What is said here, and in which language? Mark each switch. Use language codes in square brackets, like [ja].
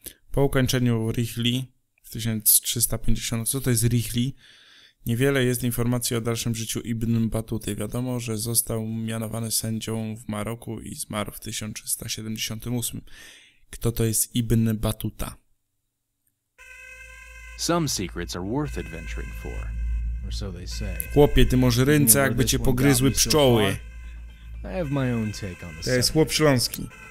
[pl] Po ukończeniu Rihli 1350. Co to jest Rihli? Niewiele jest informacji o dalszym życiu Ibn Battuty. Wiadomo, że został mianowany sędzią w Maroku i zmarł w 1378. Kto to jest Ibn Battuta? [en] Some secrets are worth adventuring for, or so they say. [pl] Chłopie, ty masz ręce, jakby cię pogryzły pszczoły. [en] I have my own take on [pl] this. To jest chłop śląski.